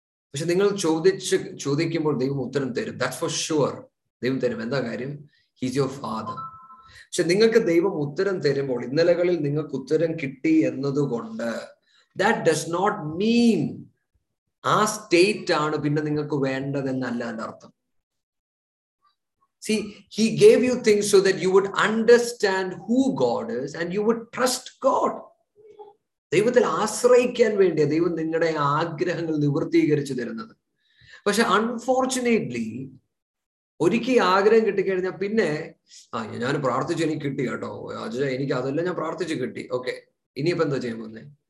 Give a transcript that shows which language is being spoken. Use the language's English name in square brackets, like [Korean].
[Malayalam] പക്ഷെ നിങ്ങൾ ചോദിക്കുമ്പോൾ ദൈവം ഉത്തരം തരും. ദാറ്റ് ഫോർ ഷുവർ ദൈവം തരും. എന്താ കാര്യം? He's your father. പക്ഷെ നിങ്ങൾക്ക് ദൈവം ഉത്തരം തരുമ്പോൾ, ഇന്നലകളിൽ നിങ്ങൾക്ക് ഉത്തരം കിട്ടി എന്നതുകൊണ്ട് ദാറ്റ് ഡസ് നോട്ട് മീൻ ആ സ്റ്റേറ്റ് ആണ് പിന്നെ നിങ്ങൾക്ക് വേണ്ടതെന്നല്ല എൻ്റെ അർത്ഥം. [English] See, he gave you things so that you would understand who God is and you would trust God. [Malayalam] ദൈവത്തിൽ ആശ്രയിക്കാൻ വേണ്ടിയാ ദൈവം നിങ്ങളുടെ ആഗ്രഹങ്ങൾ നിവർത്തീകരിച്ചു തരുന്നത്. പക്ഷെ അൺഫോർച്ചുനേറ്റ്ലി ഒരിക്കൽ ആഗ്രഹം കിട്ടിക്കഴിഞ്ഞാൽ പിന്നെ ആ ഞാൻ പ്രാർത്ഥിച്ചു എനിക്ക് കിട്ടി കേട്ടോ, എനിക്ക് അതെല്ലാം ഞാൻ പ്രാർത്ഥിച്ചു കിട്ടി, ഓക്കെ ഇനിയിപ്പോ എന്താ ചെയ്യാൻ പോകുന്നേ?